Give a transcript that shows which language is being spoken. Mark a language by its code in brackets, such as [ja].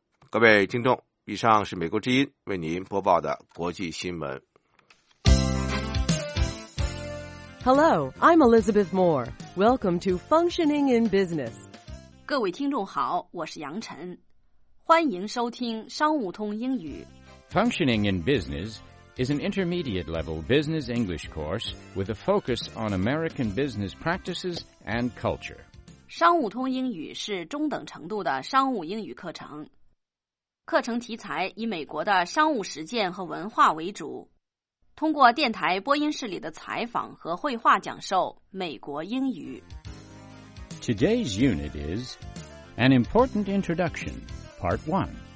[zh] 各位听众，以上是美国之音为您播报的国际新闻。 [en] Hello, I'm Elizabeth Moore. Welcome to Functioning in Business. [zh] 各位听众好，我是杨晨，欢迎收听商务通英语。 [en] Functioning in Business is an intermediate level business English course with a focus on American business practices and culture. [zh] 商务通英语是中等程度的商务英语课程。课程题材以美国的商务实践和文化为主，通过电台播音室里的采访和绘画讲授美国英语。 [en] Today's unit is An Important Introduction, Part 1.